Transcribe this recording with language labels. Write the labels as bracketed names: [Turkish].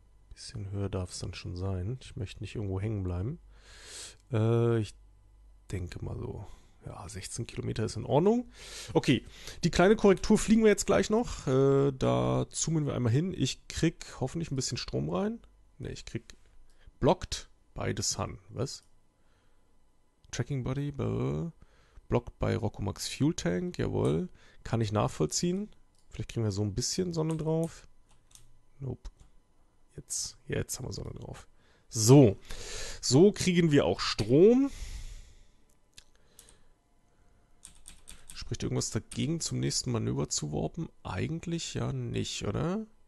[German] Ein bisschen höher darf es dann schon sein. Ich möchte nicht irgendwo hängen bleiben. Ich denke mal so. Ja, 16 Kilometer ist in Ordnung. Okay, die kleine Korrektur fliegen wir jetzt gleich noch. Da zoomen wir einmal hin. Ich krieg hoffentlich ein bisschen Strom rein. Ne, ich krieg [English] blocked by the sun. [German] Was? [English] Tracking body, blocked by Rocomax Fuel Tank. [German] Jawohl. Kann ich nachvollziehen. Vielleicht kriegen wir so ein bisschen Sonne drauf. Nope. Jetzt haben wir Sonne drauf. So. So kriegen wir auch Strom. Spricht irgendwas dagegen, zum nächsten Manöver zu warpen? Eigentlich ja nicht, oder?